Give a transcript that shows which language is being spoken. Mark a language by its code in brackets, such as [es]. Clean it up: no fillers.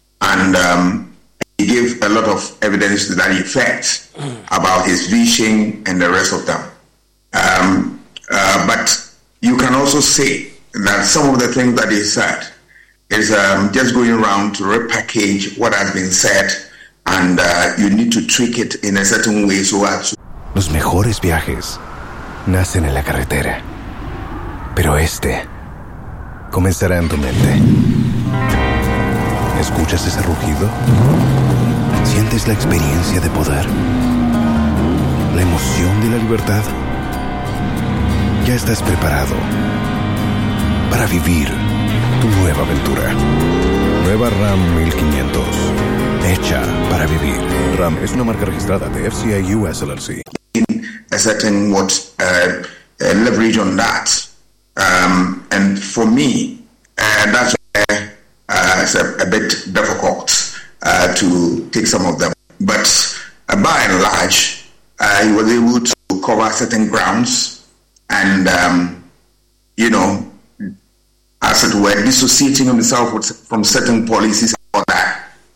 [en] And he gave a lot of evidence to that effect about his vision and the rest of them. But you can also say that some of the things that he said is just going around to repackage what has been said, and you need to tweak it in a certain way so as to... [es] Los mejores viajes nacen en la carretera, pero este comenzará en tu mente. ¿Escuchas ese rugido? ¿Sientes la experiencia de poder? ¿La emoción de la libertad? Ya estás preparado para vivir tu nueva aventura. Nueva Ram 1500. Hecha para vivir. Ram es una marca registrada de FCA US LLC. [en] A certain what leverage on that. And for me, that's where it's a bit difficult to take some of them. But by and large, he was able to cover certain grounds and, you know, as it were, dissociating himself from certain policies or that.